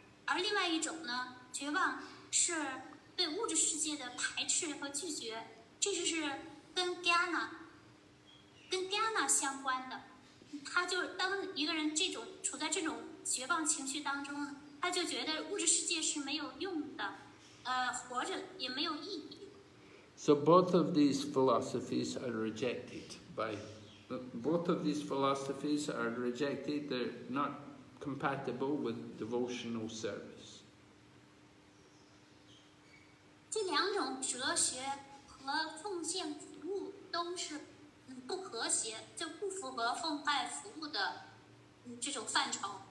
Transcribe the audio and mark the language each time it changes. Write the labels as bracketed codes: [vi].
[zh] 而另外一种呢，绝望是对物质世界的排斥和拒绝，这就是跟 jnana 相关的。他就当一个人这种处在这种绝望情绪当中，他就觉得物质世界是没有用的，活着也没有意义。 [en] So both of these philosophies are rejected by, both of these philosophies are rejected, they're not compatible with devotional service. [zh] 这两种哲学和奉献服务都是不和谐，就不符合奉拜服务的这种范畴。